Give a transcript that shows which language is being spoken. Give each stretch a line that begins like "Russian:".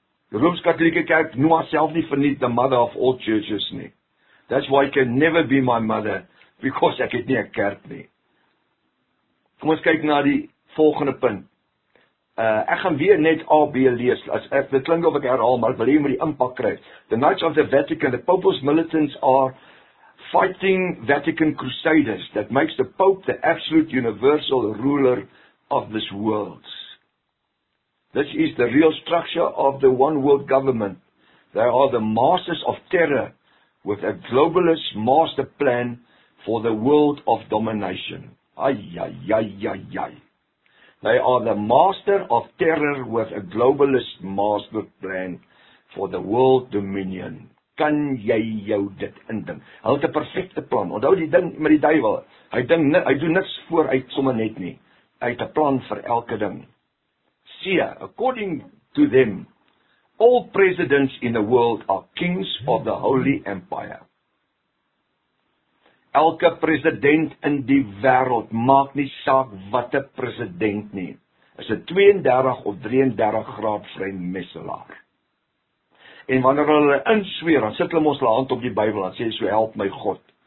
Afrikaans: Die Rooms-Katolieke Kerk noem haarself nie verniet
English: the mother of all churches
Afrikaans: nie.
English: That's why I can never be my mother, because
Afrikaans: ek het nie 'n kerk nie. Kom ons kyk na die volgende punt. Ek gaan weer net A, B lees, dit klink of ek herhaal, maar ek wil hier met die impak kry.
English: The Knights of the Vatican, the Pope's militants are fighting Vatican crusaders that makes the Pope the absolute universal ruler of this world. This is the real structure of the one world government. They are the masters of terror, with a globalist master plan for the world of domination. Ay, ay, ay, ay, ay. They are the master of terror with a globalist master plan for the world dominion.
Afrikaans: Kan jy jou dit indink? Hulle het 'n perfekte plan. Onthou die ding met die duivel. Hy doen niks vooruit sommer net nie. Hy het 'n plan vir elke ding.
English: See, according to them, all presidents in the world are kings of the Holy Empire.
Afrikaans: Elke president in die wêreld, maak nie saak wat 'n president nie, is 'n 32 of 33 graad vrymesselaar. En wanneer hulle insweer, dan sit hulle ons hand op die Bybel, en sê so help my God.